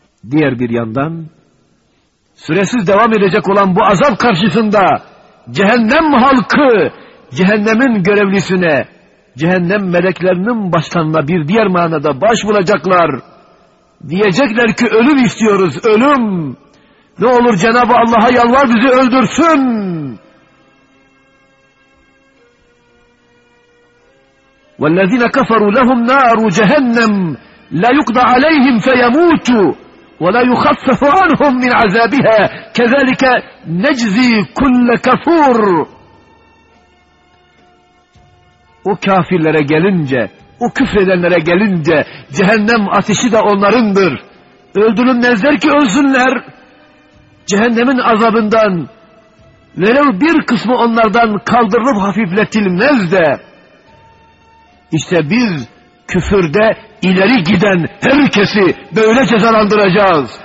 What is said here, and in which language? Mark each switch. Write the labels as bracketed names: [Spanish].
[Turkish] Diğer bir yandan süresiz devam edecek olan bu azap karşısında cehennem halkı, cehennemin görevlisine, cehennem meleklerinin başkanına bir diğer manada baş bulacaklar. Diyecekler ki ölüm istiyoruz, ölüm. Ne olur Cenab-ı Allah'a yalvar bizi öldürsün. [Arabic] وَالَّذِينَ كَفَرُوا لَهُمْ نَارُ جَهَنَّمْ لَا يُقْضَ عَلَيْهِمْ فَيَمُوتُوا وَلَا يُخَفَّفُ عَنْهُمْ مِنْ عَذَابِهَا كَذَلِكَ نَجْزِي كُلَّ كَفُورٌ. [Turkish] O kafirlere gelince, o küfredenlere gelince, cehennem ateşi de onlarındır. Öldürülmezler ki ölsünler. Cehennemin azabından, velev bir kısmı onlardan kaldırılıp hafifletilmez de. İşte biz, küfürde ileri giden herkesi böyle cezalandıracağız.